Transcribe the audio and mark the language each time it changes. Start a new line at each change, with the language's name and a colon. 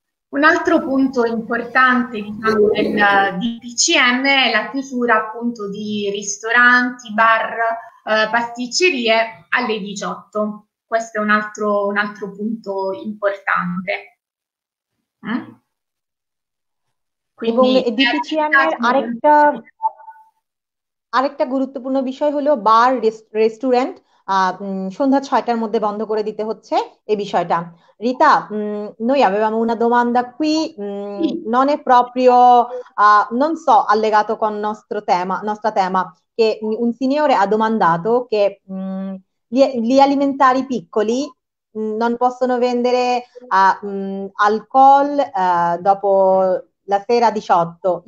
Italian: Un altro punto importante, diciamo, del DPCM è la chiusura appunto di ristoranti, bar, pasticcerie alle 18. Questo è un altro punto importante.
Bangla: এবং
Italian: Quindi
Bangla: DPCM এর আরেকটা আরেকটা গুরুত্বপূর্ণ বিষয় হলো বার, restaurant, সন্ধ্যা 6টার মধ্যে বন্ধ করে দিতে হচ্ছে এই বিষয়টা।
Italian: রিতা, noi avevamo una domanda qui, non è proprio, non so, allegato con nostra tema, che un signore ha domandato che gli alimentari piccoli non possono vendere alcol dopo la sera 18.